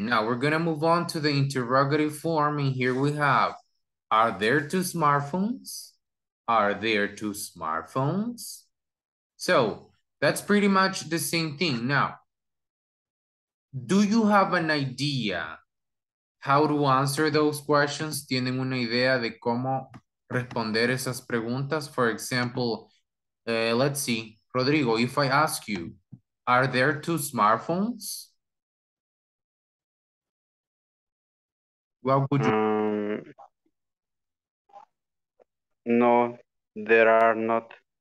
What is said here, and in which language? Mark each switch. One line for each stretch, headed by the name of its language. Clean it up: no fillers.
English: Now we're going to move on to the interrogative form. And here we have, are there two smartphones? Are there two smartphones? So that's pretty much the same thing. Now, do you have an idea how to answer those questions?
Spanish: ¿Tienen una idea de cómo responder esas preguntas?
English: For example, let's see, Rodrigo, if I ask you, are there two smartphones? What would you... No, there are not.